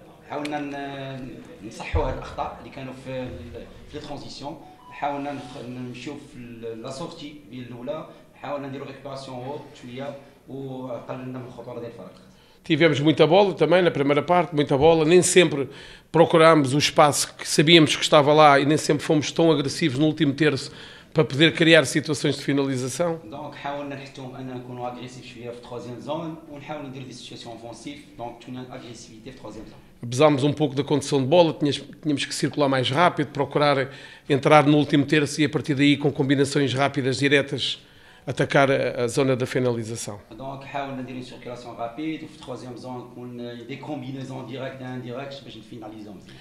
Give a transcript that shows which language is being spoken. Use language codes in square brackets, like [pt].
[ar] حاولنا نصحوا هذه الاخطاء اللي كانوا في لي ترانزيسيون حاولنا نشوف لا سورتي ديال الاولى حاولنا نديروا ريكوباراسيون هوت شويه وقللنا من الخطوره ديال الفريق. [pt] Tivemos muita bola também na primeira parte, muita bola, nem sempre procurámos o espaço que sabíamos que estava lá e nem sempre fomos tão agressivos no último terço para poder criar situações de finalização. [ar] Donc حاولنا نحتوا ان نكونوا اغريسيف شويه في الثروزيام زون ونحاولوا نديروا [fr] دي سيتواسيون اوفنسيف دونك تونا اغريسيفيتي [ar] في الثروزيام زون. [pt] Abusámos um pouco da condição de bola, tínhamos que circular mais rápido, procurar entrar no último terço e a partir daí, com combinações rápidas, diretas, atacar a zona da finalização. Então, tentámos fazer uma circulação rápida, e trouxemos uma combinação direta e indireta para a gente finalizar.